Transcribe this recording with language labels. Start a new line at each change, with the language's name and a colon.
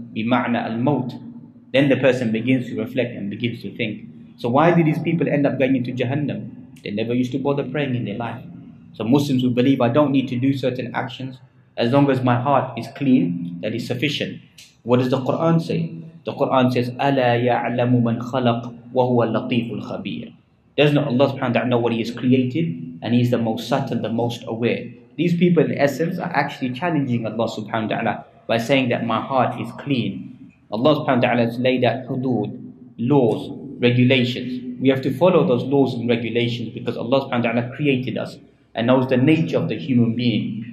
Arabic: بِمَعْنَى الْمَوْتِ.
English: Then the person begins to reflect and begins to think. So why did these people end up going into Jahannam? They never used to bother praying in their life. So Muslims who believe I don't need to do certain actions, as long as my heart is clean, that is sufficient. What does the Quran say? The Quran says,
Arabic: أَلَا يَعْلَمُ مَنْ خَلَقْ وَهُوَ اللَّطِيفُ الْخَبِيرُ.
English: Doesn't Allah subhanahu wa ta'ala know what He has created? And He's the most subtle, the most aware. These people in essence are actually challenging Allah subhanahu wa ta'ala by saying that my heart is clean. Allah subhanahu wa ta'ala has laid out hudud, laws, regulations. We have to follow those laws and regulations because Allah subhanahu wa ta'ala created us and knows the nature of the human being.